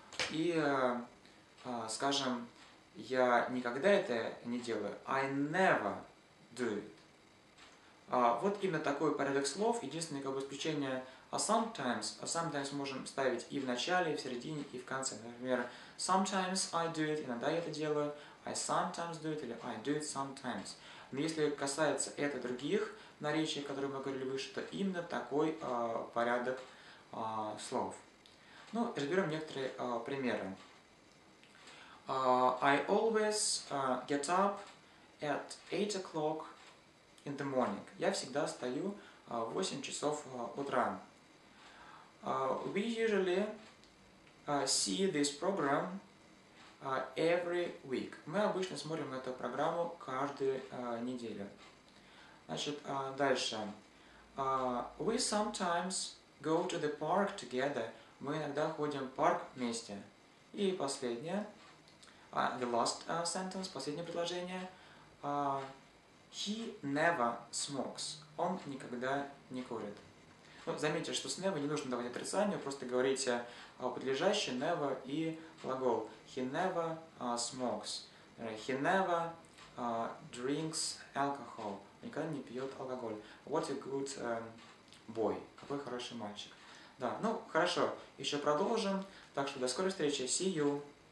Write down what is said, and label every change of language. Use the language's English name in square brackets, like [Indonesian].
[Russian] И, скажем, я никогда это не делаю. [English] I never do it. [Russian] Вот именно такой порядок слов. Единственное как бы исключение sometimes. Sometimes можем ставить и в начале, и в середине, и в конце. Например, [English] sometimes I do it. [Russian] Иногда я это делаю. [English] I sometimes do it. [Russian] Или [English] I do it sometimes. [Russian] Но если касается это других наречий, которые мы говорили выше, то именно такой порядок слов. Ну, разберем некоторые примеры. [English] I always get up at 8 o'clock in the morning. [Russian] Я всегда встаю в 8 часов утра. [English] We usually see this program every week. [Russian] Мы обычно смотрим эту программу каждую неделю. Значит, дальше. [English] We sometimes go to the park together. [Russian] Мы иногда ходим в парк вместе. И последнее. [English] The last sentence, [Russian] последнее предложение. [English] He never smokes. [Russian] Он никогда не курит. Ну, заметьте, что с never не нужно давать отрицание, просто говорите подлежащее, never и глагол. [English] He never smokes. He never drinks alcohol. [Russian] Никогда не пьет алкоголь. [English] What a good boy. [Russian] Какой хороший мальчик. Да, ну, хорошо, еще продолжим. Так что до скорой встречи. [English] See you.